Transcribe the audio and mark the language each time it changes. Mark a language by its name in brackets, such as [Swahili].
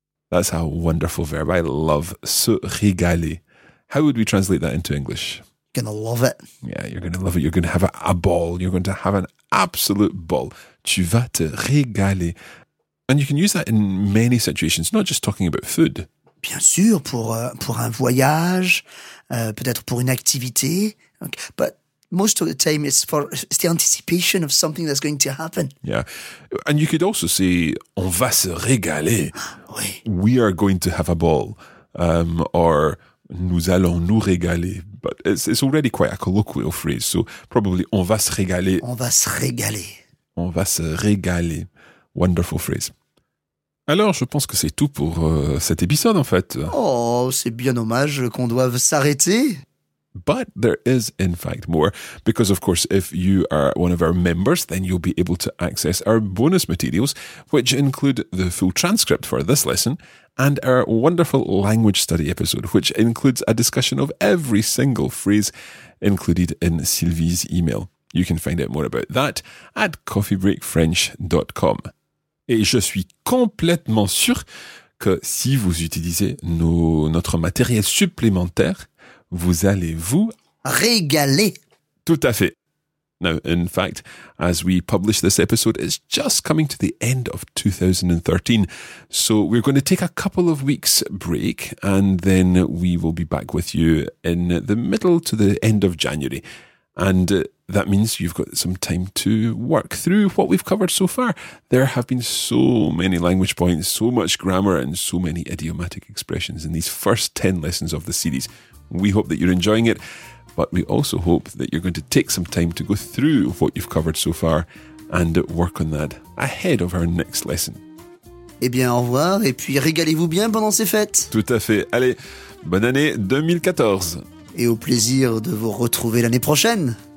[English] That's a wonderful verb. I love se régaler. How would we translate that into English? Gonna love it. Yeah, you're gonna love it. You're gonna have a ball. You're going to have an absolute ball. [French] Tu vas te régaler. [English] And you can use that in many situations, not just talking about food. [French] Bien sûr, pour un voyage, peut-être pour une activité. [English] Okay. But most of the time, it's the anticipation of something that's going to happen. Yeah. And you could also say, [French] on va se régaler. Oui. [English] We are going to have a ball. [French] Or nous allons nous régaler. [English] But it's already quite a colloquial phrase. So probably, [French] on va se régaler. On va se régaler. On va se régaler. [English] Wonderful phrase. [French] Alors, je pense que c'est tout pour cet épisode, en fait. Oh, c'est bien dommage qu'on doive s'arrêter. [English] But there is, in fact, more. Because, of course, if you are one of our members, then you'll be able to access our bonus materials, which include the full transcript for this lesson and our wonderful language study episode, which includes a discussion of every single phrase included in Sylvie's email. You can find out more about that at coffeebreakfrench.com. [French] Et je suis complètement sûr que si vous utilisez notre matériel supplémentaire, vous allez vous régaler. Tout à fait. [English] Now, in fact, as we publish this episode, it's just coming to the end of 2013. So we're going to take a couple of weeks break and then we will be back with you in the middle to the end of January. And that means you've got some time to work through what we've covered so far. There have been so many language points, so much grammar, and so many idiomatic expressions in these first 10 lessons of the series. We hope that you're enjoying it, but we also hope that you're going to take some time to go through what you've covered so far and work on that ahead of our next lesson. [French] Eh bien, au revoir, et puis régalez-vous bien pendant ces fêtes. Tout à fait. Allez, bonne année 2014. Et au plaisir de vous retrouver l'année prochaine.